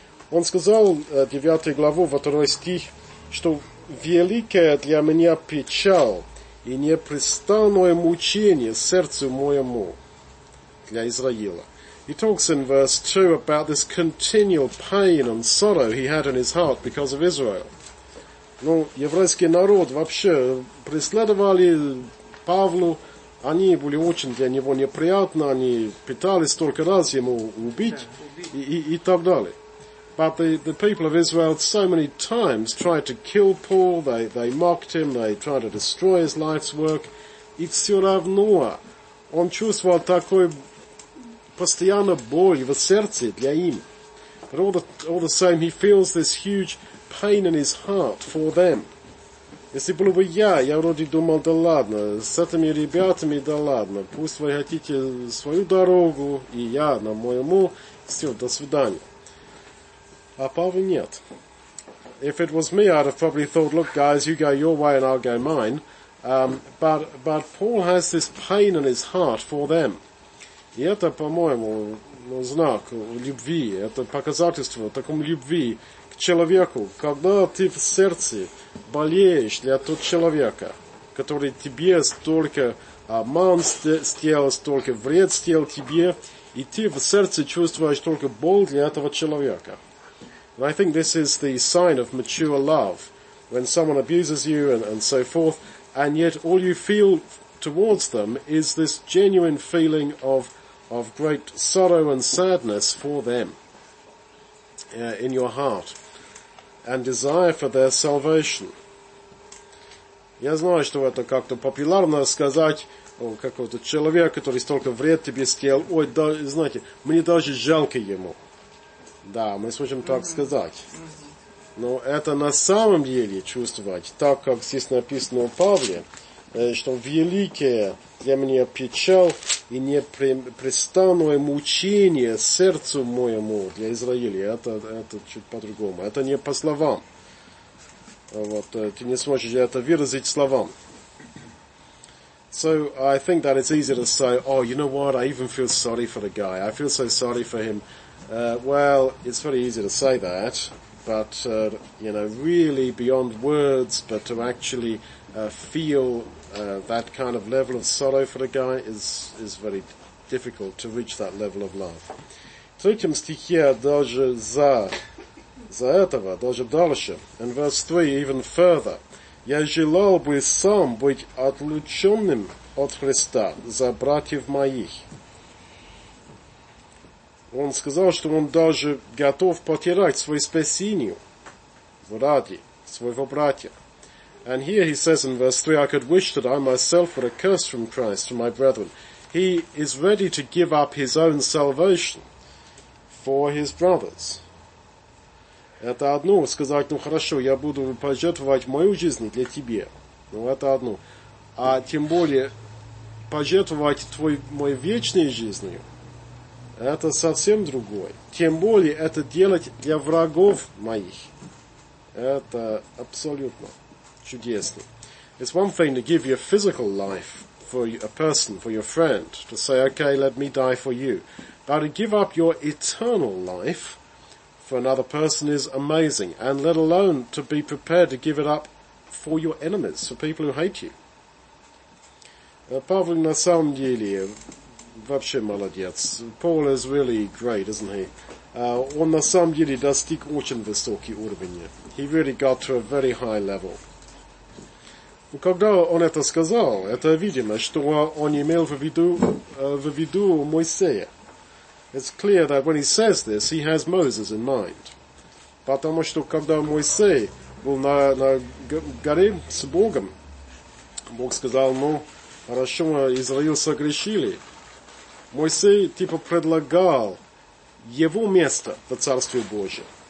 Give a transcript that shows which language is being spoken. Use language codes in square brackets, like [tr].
[ru] Он сказал 9 главу 2 стих, что великая для меня печаль и непрестанное мучение сердцу моему для Израиля. [en] He talks in verse 2 about this continual pain and sorrow he had in his heart because of Israel. [ru] Ну, еврейский народ вообще преследовали Павлу, они были очень для него неприятны, они пытались столько раз ему убить и так далее. [en] But the people of Israel so many times tried to kill Paul, they mocked him, they tried to destroy his life's work. [ru] И все равно он чувствовал такой постоянно боль в сердце для им. [en] But all the same, he feels this huge pain in his heart for them. [ru] Если был бы я вроде думал, да ладно, с этими ребятами, да ладно, пусть вы хотите свою дорогу, и я на моему, все, до свидания. А Павел нет. [en] If it was me, I'd have probably thought, look, guys, you go your way and I'll go mine. But Paul has this pain in his heart for them. [ru] И это, по-моему, знак любви. Это показательство, таком любви к человеку. Когда ты в сердце болеешь для того человека, который тебе столько обман сделал, столько вред сделал тебе, и ты в сердце чувствуешь только боль для этого человека. [en] And I think this is the sign of mature love, when someone abuses you and so forth, and yet all you feel towards them is this genuine feeling of great sorrow and sadness for them in your heart, and desire for their salvation. [ru] Я знаю, что это как-то популярно сказать, о, какого-то человека, который столько вред тебе сделал, ой, да, знаете, мне даже жалко ему. Да, мы сможем так сказать. Но это на самом деле чувствовать, так как здесь написано у Павла, что великая для меня печаль и непрестанное мучение сердцу моему для Израиля. Это чуть по-другому. Это не по словам. Вот, ты не сможешь это выразить словам. [en] So I think that it's easy to say, oh, you know what, I even feel sorry for the guy. I feel so sorry for him. Well, it's very easy to say that, but, really beyond words, but to actually feel That kind of level of sorrow for a guy is very difficult to reach that level of love. [ru] Третьим стихе даже за этого, даже дальше. [en] In verse 3, even further. [ru] Я желал бы сам быть отлученным от Христа за братьев моих. Он сказал, что он даже готов потерять свою спасению ради своего братья. [en] And here he says in verse 3, I could wish that I myself were accursed from Christ for my brethren. He is ready to give up his own salvation for his brothers. [ru] Это одно, сказать, ну хорошо, я буду пожертвовать мою жизнь для тебя. Ну это одно. А тем более пожертвовать мою вечную жизнь, это совсем другое. Тем более это делать для врагов моих. Это абсолютно чудесно. [en] It's one thing to give your physical life for a person, for your friend, to say, okay, let me die for you. But to give up your eternal life for another person is amazing, and let alone to be prepared to give it up for your enemies, for people who hate you. [ru] Павел на самом деле вообще молодец. [en] Paul is really great, isn't he? [ru] Он на самом деле достиг очень высокий уровень. [en] He really got to a very high level. [ru] Когда он это сказал, это видимо, что он имел в виду Моисея. [en] It's clear that when he says this, he has Moses in mind. [ru] Потому что когда Моисей был на горе с Богом, Бог сказал, ну, хорошо, Израиль согрешили. Моисей типа предлагал его место в Царстве Божьем.